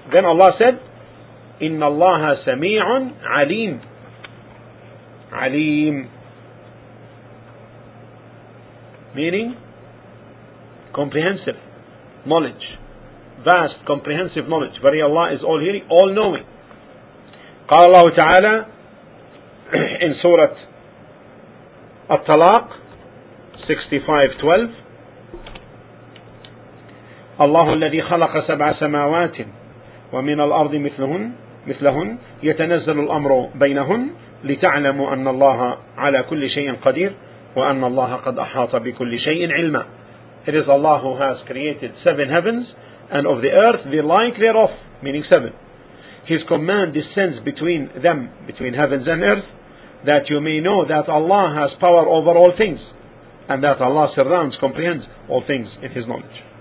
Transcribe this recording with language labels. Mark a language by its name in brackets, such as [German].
[English] Then Allah said, [Arabic] "Inna Allaha sami'un alim." [English] Alim meaning comprehensive knowledge, vast comprehensive knowledge. Verily Allah is all hearing, all knowing. [Arabic] قال الله تعالى [English] in Surah At-Talaq 65:12, [Arabic] الله الذي خلق سبع سماوات ومن الأرض مثلهن يتنزل الأمر بينهن لتعلموا أن الله على كل شيء قدير وأن الله قد أحاط بكل شيء علما. [English] It is Allah who has created seven heavens and of the earth the like thereof, meaning seven. His command descends between them, between heavens and earth, that you may know that Allah has power over all things, and that Allah surrounds, comprehends all things in His knowledge.